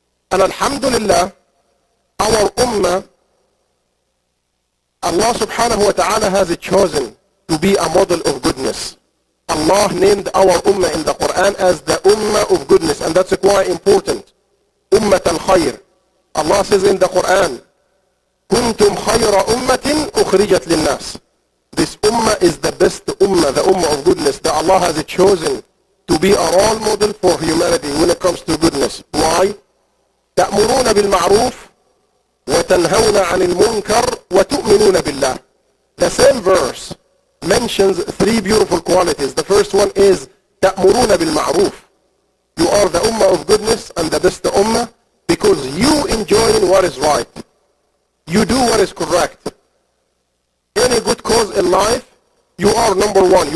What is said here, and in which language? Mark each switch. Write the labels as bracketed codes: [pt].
[en] And alhamdulillah, our ummah, Allah subhanahu wa ta'ala has chosen to be a model of goodness. Allah named our ummah in the Quran as the ummah of goodness, and that's quite important. Ummat al-khayr. Allah says in the Quran, who [ar] كنتم خير أمة أخرجت للناس. [en] This Ummah is the best Ummah, the Ummah of goodness that Allah has chosen to be a role model for humanity when it comes to goodness. Why? [ar] تأمرون بالمعروف وتنهون عن المنكر وتؤمنون بالله. [en] The same verse mentions three beautiful qualities. The first one is [ar] تأمرون بالمعروف. [en] You are the Ummah of goodness and the best Ummah because you enjoy what is right. You do what is correct. Any good cause in life, you are number one.